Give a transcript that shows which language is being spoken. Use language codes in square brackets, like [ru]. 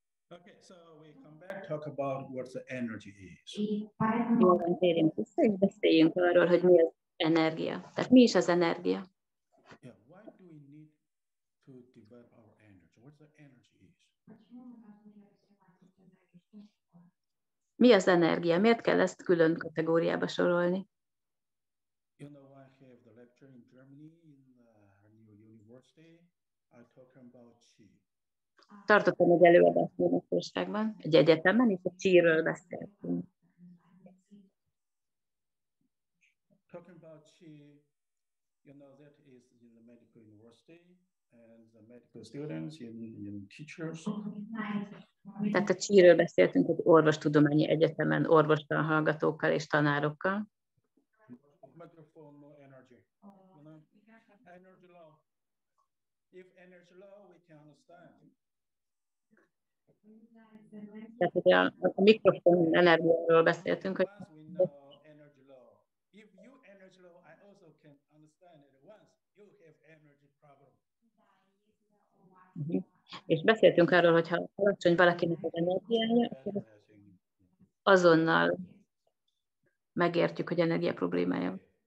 [en] Okay, so we come back, talk about what the energy is. [hu] Jóban térjünk vissza, és beszéljünk arról, hogy mi az energia. Tehát mi is az energia? [en] Yeah, why do we need to develop our energy? What the energy is? [hu] Mi az energia? Miért kell ezt külön kategóriába sorolni? [en] You know, I have the lecture in Germany, in New University. I talk about chi. [hu] Tartottam egy előadást Németországban, egy egyetemen, és a chi-ről beszéltünk. [en] Talking about chi, you know, that is in the medical university, and the medical students, in teachers. [hu] Tehát a chi-ről beszéltünk egy orvostudományi egyetemen, orvostan hallgatókkal és tanárokkal. [en] Microphone, no energy. Energy low. If energy low, we can understand. [hu] Tehát hogy a mikrofon energiáról beszéltünk, hogy [en] energy low. If you energy low, I also can understand it once you have energy problem. [hu] És beszéltünk arról, hogy ha alacsony valakinek az energiája, azonnal megértjük, hogy energia problémája.